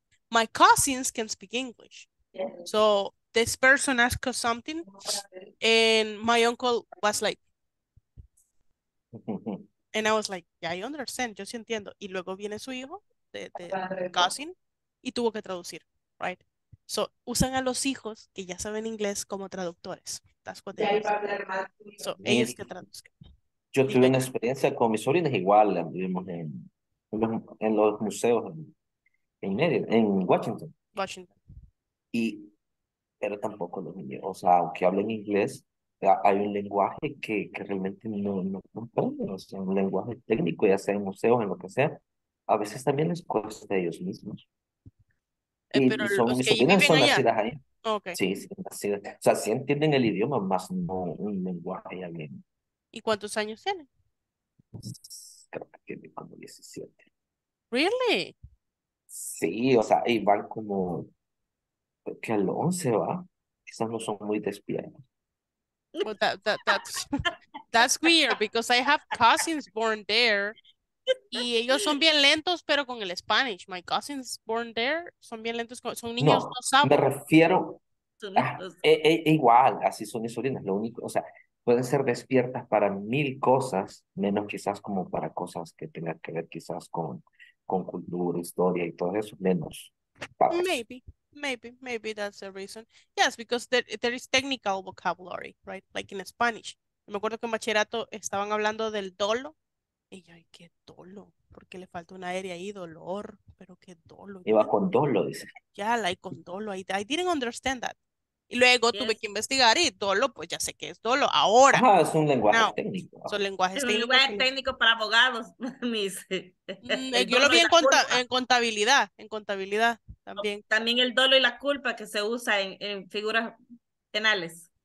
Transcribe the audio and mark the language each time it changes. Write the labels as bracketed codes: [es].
[en] My cousins can speak English. Yeah. So this person asked us something, and my uncle was like, and I was like, yeah, I understand, [es] yo sí entiendo. Y luego viene su hijo, [en] the cousin, [es] y tuvo que traducir, [en] right? [es] So, usan a los hijos que ya saben inglés como traductores. That's what they so, ellos que traduzcan. Yo tuve una experiencia con mis sobrinos igual, vivimos en los museos en Washington. Washington. Y, pero tampoco los niños, o sea, aunque hablen inglés, hay un lenguaje que realmente no comprenden, o sea, un lenguaje técnico, ya sea en museos, en lo que sea, a veces también les cuesta a ellos mismos. Pero son, los que viven son allá. Nacidas ahí. [en] Okay. [es] Sí, nacidas. O sea, sí entienden el idioma, más no un lenguaje ya bien. ¿Y cuántos años tienen? Creo que tienen como 17. [en] ¿Really? [es] Sí, o sea, y van como, creo que al 11 va. Quizás no son muy despiertos. [en] Well, that's weird, because I have cousins born there. [es] Y ellos son bien lentos, pero con el Spanish. [en] My cousins born there [es] son bien lentos. Son niños no saben. Me refiero. Igual, así son mis sobrinas. Lo único, o sea, pueden ser despiertas para mil cosas, menos quizás como para cosas que tengan que ver quizás con cultura, historia y todo eso, menos. [en] Papas. Maybe that's the reason. Yes, because there is technical vocabulary, right? Like in Spanish. [es] Me acuerdo que en bachillerato estaban hablando del dolo. Y ay, qué dolo, porque le falta un aire ahí, dolor, pero qué dolo. Iba con dolo, dice. [en] Ya, like, con dolo, I didn't understand that. [es] Y luego yes. Tuve que investigar y dolo, pues ya sé que es dolo, ahora. Ah, es un lenguaje no. Técnico. Son lenguajes técnicos. Es un lenguaje técnico para abogados, me dice. Yo lo vi en contabilidad también. También el dolo y la culpa que se usa en figuras penales.